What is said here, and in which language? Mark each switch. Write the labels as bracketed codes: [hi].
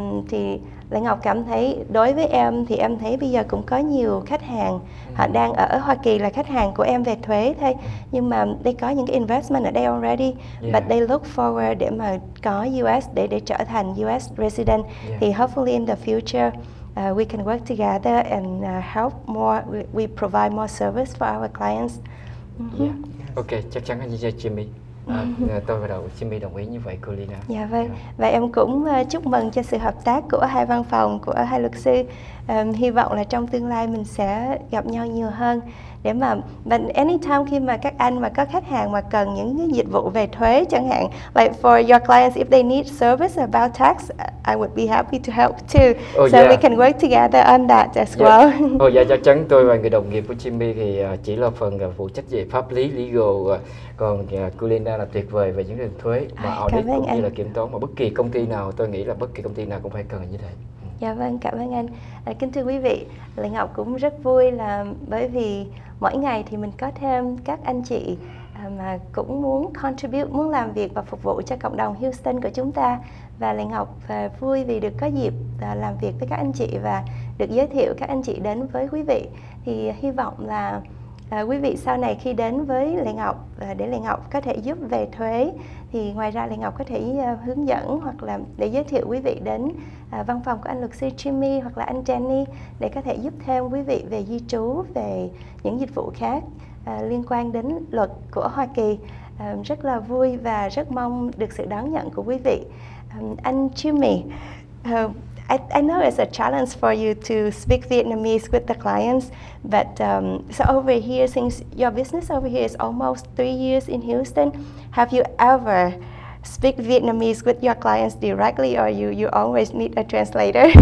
[vi] Thì Lê Ngọc cảm thấy đối với em thì em thấy bây giờ cũng có nhiều khách hàng họ đang ở Hoa Kỳ là khách hàng của em về thuế thôi, nhưng mà [en] they [vi] có những cái investment ở đây [en] already, but they look forward [vi] để mà có US để trở thành US resident. Thì [en] hopefully in the future we can work together and help more, we provide more service for our clients. [vi] Okay, chắc chắn anh chị Jimmy. Tôi bắt đầu Jimmy đồng ý như vậy, cô Lena. Dạ vâng, và em cũng chúc mừng cho sự hợp tác của hai văn phòng, của hai luật sư. Hy vọng là trong tương lai mình sẽ gặp nhau nhiều hơn. Để mà, [en] but anytime [vi] khi mà các anh mà có khách hàng mà cần những cái dịch vụ về thuế chẳng hạn, [en] like for your clients, if they need service about tax, I would be happy to help too. We can work together on that as well. [vi] Oh yeah, chắc chắn tôi và người đồng nghiệp của Jimmy thì chỉ là phần phụ trách về pháp lý, legal. Còn Kulina là tuyệt vời về những đường thuế, mà audit cũng như là kiểm toán, mà bất kỳ công ty nào, tôi nghĩ là bất kỳ công ty nào cũng phải cần như thế. Dạ vâng, cảm ơn anh. Kính thưa quý vị, Lê Ngọc cũng rất vui là bởi vì mỗi ngày thì mình có thêm các anh chị mà cũng muốn contribute, muốn làm việc và phục vụ cho cộng đồng Houston của chúng ta. Và Lê Ngọc vui vì được có dịp làm việc với các anh chị và được giới thiệu các anh chị đến với quý vị. Thì hy vọng là Quý vị sau này khi đến với Lê Ngọc để Lê Ngọc có thể giúp về thuế, thì ngoài ra Lê Ngọc có thể hướng dẫn hoặc là để giới thiệu quý vị đến văn phòng của anh luật sư Jimmy hoặc là anh Jenny để có thể giúp thêm quý vị về di trú, về những dịch vụ khác liên quan đến luật của Hoa Kỳ. Rất là vui và rất mong được sự đón nhận của quý vị. [en] Anh Jimmy, I know it's a challenge for you to speak Vietnamese with the clients, but so over here, since your business over here is almost 3 years in Houston, have you ever speak Vietnamese with your clients directly, or you always need a translator?